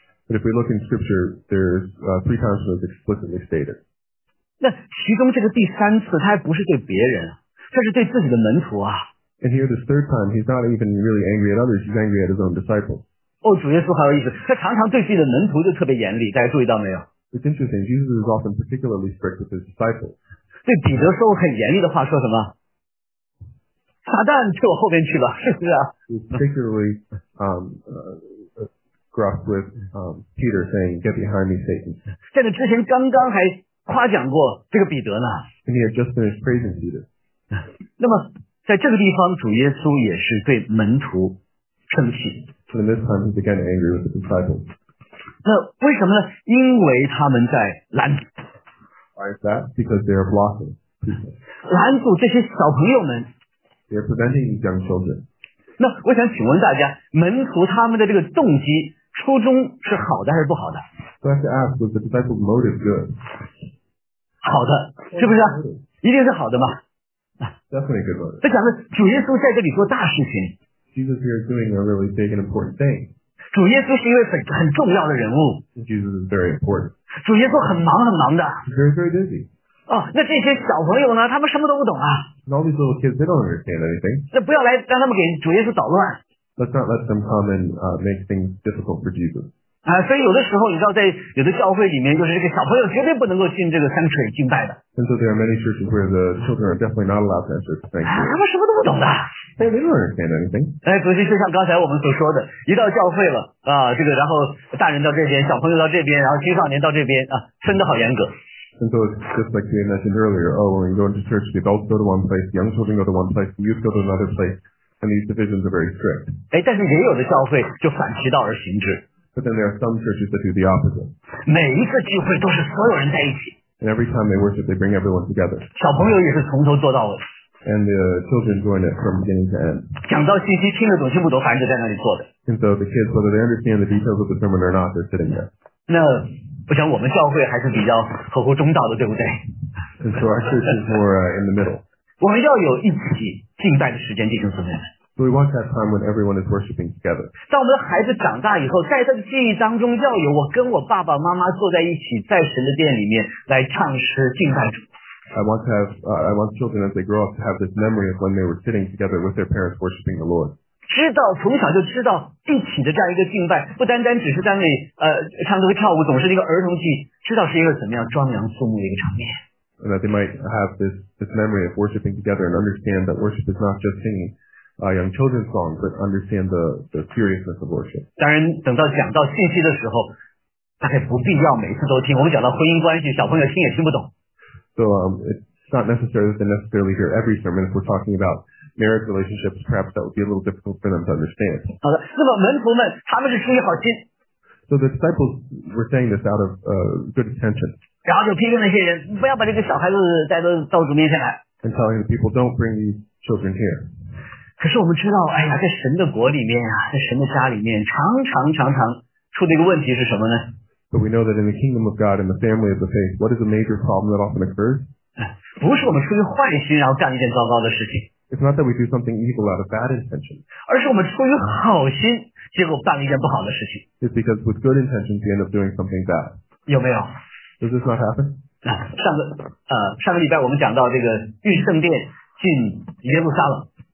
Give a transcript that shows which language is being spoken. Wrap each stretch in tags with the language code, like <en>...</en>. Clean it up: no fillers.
<en>But if we look in Scripture, there's three times it was explicitly stated.</en> <zh>那其中这个第三次，他还不是对别人，他是对自己的门徒啊。</zh> <en>And here this third time, he's not even really angry at others, he's angry at his own disciples.</en> <zh>哦，主耶稣好有意思，他常常对自己的门徒就特别严厉，大家注意到没有？</zh> <en>It's interesting, Jesus is often particularly strict with his disciples.</en> <zh>对彼得说很严厉的话说什么？撒旦去我后面去了，是不是啊？</zh> <en>He's particularly gruff with Peter saying, get behind me, Satan.</en> <zh>在那之前刚刚还夸奖过这个彼得呢。</zh> <en>And he had just finished praising Peter.</en> <zh>那么在这个地方主耶稣也是对门徒生气。</zh> <en>So in this time he began angry with the disciples.</en> <zh>那为什么呢？因为他们在拦阻。</zh> <en>Why is that? Because they are blocking people.</en> <zh>拦阻这些小朋友们。</zh> <en>They are preventing these young children.</en> <zh>那我想请问大家，门徒他们的这个动机初衷是好的还是不好的？</zh> <en>So I have to ask, was the disciples' motive good?</en> <zh>好的，是不是？一定是好的嘛。</zh> <en>Definitely good word.</en> <zh>他讲的主耶稣在这里做大事情。</zh> <en>Jesus here is doing a really big and important thing.</en> <zh>主耶稣是一位很重要的人物。</zh> <en>Jesus is very important.</en> <zh>主耶稣很忙很忙的。</zh> <en>Very, very busy.</en> <zh>哦，那这些小朋友呢？他们什么都不懂啊。</zh> <en>All these little kids, they don't understand anything.</en> <zh>那不要来让他们给主耶稣捣乱。</zh> <en>Let's not let them come and make things difficult for Jesus.</en> <zh>所以有的时候你知道在有的教会里面就是这个小朋友绝对不能够进这个 sanctuary 敬拜的。</zh> <en>And so there are many churches where the children are definitely not allowed to enter the sanctuary.</en> <zh>他们什么都不懂的。</zh> <en>They don't understand anything.</en> <zh>主席就像刚才我们所说的一到教会了这个然后大人到这边小朋友到这边然后青少年到这边分得好严格。</zh> <en>And so it's just like you mentioned earlier, oh, when you go into church, the adults go to one place, the young children go to one place, the youth go to another place, and these divisions are very strict.</en> <zh>但是也有的教会就反其道而行之。</zh> <en>But then there are some churches that do the opposite.</en> <zh>每一次聚会都是所有人在一起。</zh> <en>And every time they worship, they bring everyone together.</en> <zh>小朋友也是从头做到尾。</zh> <en>And the children join it from beginning to end.</en> <zh>讲到信息听得懂听不懂，反正就在那里坐着。</zh> <en>And so the kids, whether they understand the details of the sermon or not, they're sitting there.</en> <zh>那我想我们教会还是比较合乎中道的，对不对？</zh> <en>And so our church is more in the middle.</en> <zh>我们要有一起敬拜的时间，弟兄姊妹。</zh> <en>So we want that time when everyone is worshiping together.</en> <zh>当我们的孩子长大以后，在他的记忆当中要有我跟我爸爸妈妈坐在一起，在神的殿里面来唱诗敬拜主。</zh> <en>I want children as they grow up to have this memory of when they were sitting together with their parents worshiping the Lord.</en> <zh>知道从小就知道一起的这样一个敬拜，不单单只是在那里唱歌跳舞，总是一个儿童气，知道是一个怎么样庄严肃穆的一个场面。</zh> <en>And that they might have this memory of worshiping together and understand that worship is not just singing. Young children's song, but understand the seriousness of worship.</en> <zh>当然，等到讲到信息的时候，大概不必要每次都听。我们讲到婚姻关系，小朋友听也听不懂。</zh> <en>So it's not necessary that they necessarily hear every sermon. If we're talking about marriage relationships, perhaps that would be a little difficult for them to understand.</en> <zh>好的，那么门徒们他们是出于好心。</zh> <en>So the disciples were saying this out of good intention.</en> <zh>然后就批评那些人，不要把这个小孩子带到主面前来。</zh> <en>And telling the people, don't bring these children here.</en> <zh>可是我们知道，哎呀，在神的国里面啊，在神的家里面，常常出的一个问题是什么呢？</zh> <en>But we know that in the kingdom of God, in the family of the faith, what is a major problem that often occurs?</en> <zh>不是我们出于坏心然后干一件糟糕的事情。</zh> <en>It's not that we do something evil out of bad intention.</en> <zh>而是我们出于好心，结果办了一件不好的事情。</zh> <en>It's because with good intentions, we end up doing something bad.</en> <zh>有没有？</zh> <en>Does this not happen?</en> <zh>上个礼拜我们讲到这个御圣殿进耶路撒冷。</zh>